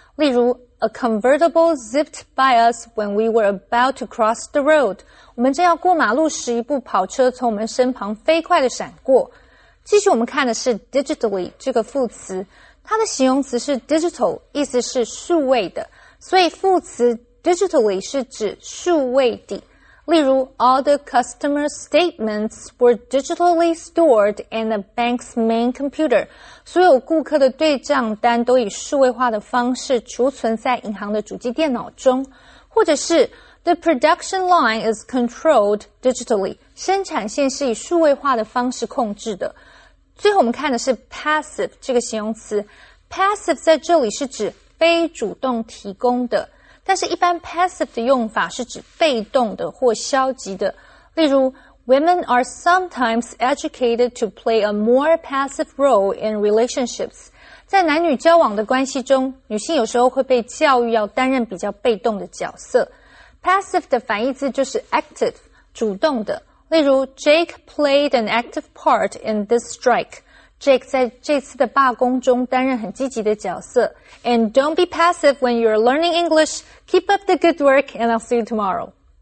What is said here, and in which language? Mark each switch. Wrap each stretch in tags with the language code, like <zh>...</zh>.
<zh>例如</zh> <en>,a convertible zipped by us when we were about to cross the road.</en> <zh>我们正要过马路时，一部跑车从我们身旁飞快地闪过。继续我们看的是 digitally 这个副词，它的形容词是 digital， 意思是数位的，所以副词 digitally 是指数位的。例如</zh> <en>,all the customer statements were digitally stored in the bank's main computer.</en> <zh>所有顾客的对账单都以数位化的方式储存在银行的主机电脑中。或者是</zh> <en>The production line is controlled digitally.</en> <zh>生产线是以数位化的方式控制的。最后我们看的是 passive 这个形容词。passive 在这里是指非主动提供的。但是一般 passive 的用法是指被动的或消极的。例如</zh> <en>,women are sometimes educated to play a more passive role in relationships.</en> <zh>在男女交往的关系中，女性有时候会被教育要担任比较被动的角色。 Passive 的反义词就是 active, 主动的。例如</zh> <en>,Jake played an active part in this strike.</en> <zh>Jake 在这次的罢工中担任很积极的角色。</zh> <en>And don't be passive when you're learning English. Keep up the good work and I'll see you tomorrow.</en>